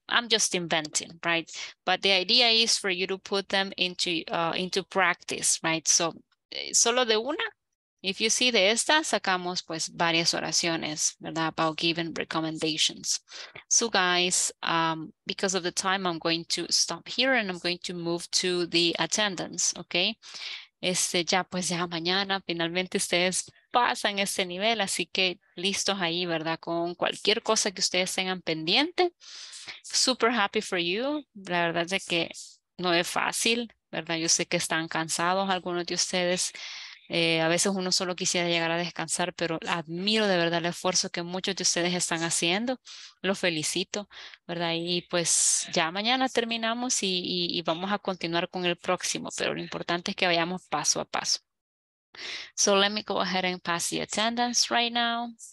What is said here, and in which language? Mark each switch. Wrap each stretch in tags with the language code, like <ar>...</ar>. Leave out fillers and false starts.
<en>I'm just inventing, right? But the idea is for you to put them into practice, right?</en> <es>So, solo de una.</es> <en>If you see</en> <es>de esta, sacamos pues varias oraciones, ¿verdad?</es> <en>About giving recommendations. So guys, because of the time, I'm going to stop here and I'm going to move to the attendance, okay?</en> <es>Ya pues ya mañana, finalmente ustedes pasan ese nivel, así que listos ahí, ¿verdad? Con cualquier cosa que ustedes tengan pendiente.</es> <en>Super happy for you.</en> <es>La verdad es que no es fácil, ¿verdad? Yo sé que están cansados algunos de ustedes. A veces uno solo quisiera llegar a descansar, pero admiro de verdad el esfuerzo que muchos de ustedes están haciendo. Los felicito, ¿verdad? Y pues ya mañana terminamos y vamos a continuar con el próximo, pero lo importante es que vayamos paso a paso.</es> <en>So let me go ahead and pass the attendance right now.</en>